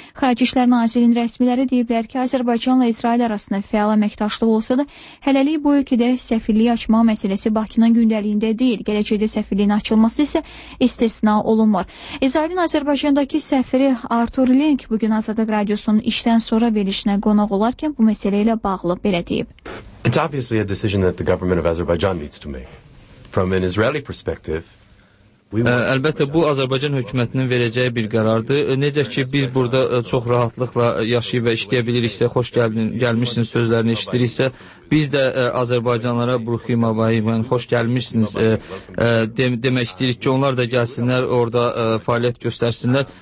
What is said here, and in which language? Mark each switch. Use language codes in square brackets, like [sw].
[az] Xarici İşlər Nazirliyinin rəsmiləri deyiblər ki, Azərbaycanla İsrail arasında fəal əməkdaşlıq olsa da, hələlik bu ölkədə səfirliyi açmaq məsələsi Bakının gündəliyində deyil, gələcəkdə səfirliyin açılması isə istisna olunmur. İsrailin Azərbaycandakı səfiri Artur Link bugün Azadlıq Radiosunun işdən sonra verilişinə qonaq olarkən bu məsələ ilə bağlı belə deyib. [en] It's obviously a decision that the government of Azerbaijan needs to make. From an Israeli perspective, [az] Əlbəttə, bu, Azərbaycan hökumətinin verəcəyi bir qərardır. Necə ki, biz burada çox rahatlıqla yaşayıb və işləyə biliriksə, xoş gəlmişsiniz sözlərini eşidiriksə, biz də Azərbaycanlara Bruhim Abayivən xoş gəlmişsiniz demək istəyirik ki, onlar da gəlsinlər, orada fəaliyyət göstərsinlər.